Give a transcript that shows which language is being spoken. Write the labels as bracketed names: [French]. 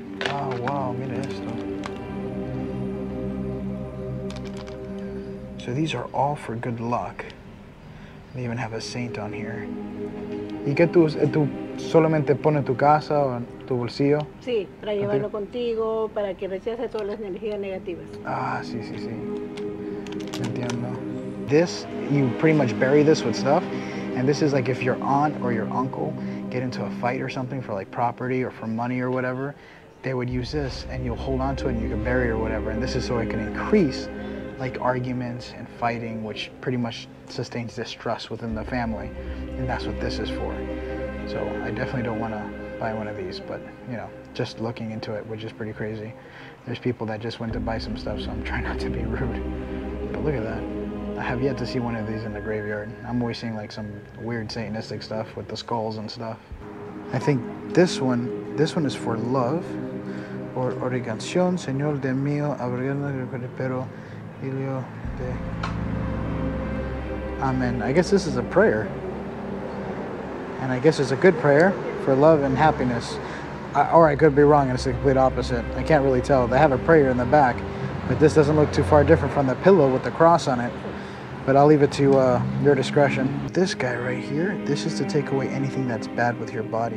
[Spanish] Oh wow, mira esto. [English] So these are all for good luck. They even have a saint on here. [Spanish] ¿Y qué tú solamente pones tu casa o en tu bolsillo? Sí, para llevarlo contigo, para que recibas todas las energías negativas. Ah, sí, sí, sí. Entiendo. [English] This, you pretty much bury this with stuff. And this is like if your aunt or your uncle get into a fight or something for like property or for money or whatever, they would use this and you'll hold on to it and you can bury it or whatever. And this is so it can increase like arguments and fighting, which pretty much sustains distrust within the family. And that's what this is for. So I definitely don't want to buy one of these, but you know, just looking into it, which is pretty crazy. There's people that just went to buy some stuff, so I'm trying not to be rude. But look at that. I have yet to see one of these in the graveyard. I'm always seeing like some weird satanistic stuff with the skulls and stuff. I think this one is for love. [Spanish] Or oración, Señor de mío, abriendo el recupero, hilo de... [English] Amen. I guess this is a prayer. And I guess it's a good prayer for love and happiness. Or I could be wrong and it's the complete opposite. I can't really tell. They have a prayer in the back, but this doesn't look too far different from the pillow with the cross on it. But I'll leave it to your discretion. This guy right here, this is to take away anything that's bad with your body.